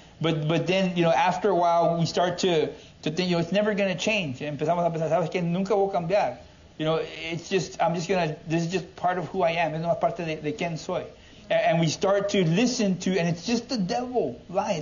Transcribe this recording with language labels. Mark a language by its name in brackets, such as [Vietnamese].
[English] But then, you know, after a while, we start to think, you know, it's never going to change. [Spanish] Empezamos a pensar, sabes que nunca voy a cambiar. [English] You know, it's just, I'm just going to, this is just part of who I am. [Spanish] Es una parte de quién soy. [English] And we start to listen to, and it's just the devil lying.